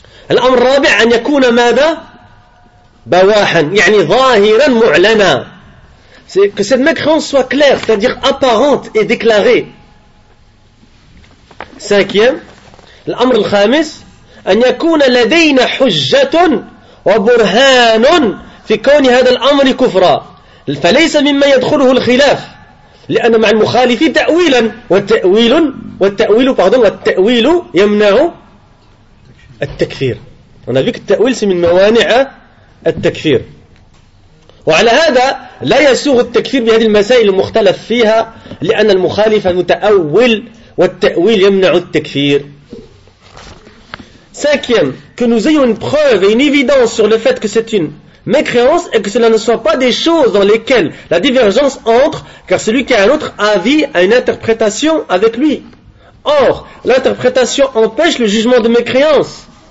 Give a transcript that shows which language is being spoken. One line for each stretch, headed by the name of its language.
Arabic: الأمر الرابع أن يكون ماذا بواحا يعني ظاهرا معلنا.
French: C'est que cette mécréance soit claire, c'est-à-dire apparente et déclarée.
Arabic: Cinquième, الأمر الخامس أن يكون لدينا حجة وبرهان في كون هذا الأمر كفرا فليس مما يدخله الخلاف لأن مع المخالف تأويلا والتأويل يمنع التكفير.
French: On a vu que le ta'wil c'est une mawani'a al-takfir.
Arabic: وعلى هذا لا يسوغ التكفير بهذه المسائل المختلف فيها لأن المخالف متأول والتأويل يمنع التكفير.
French: Cinquième, que nous ayons une preuve et une évidence sur le fait que c'est une mécréance et que cela ne soit pas des choses dans lesquelles la divergence entre, car celui qui a un autre avis a une interprétation avec lui. Or, l'interprétation empêche le jugement de mécréance.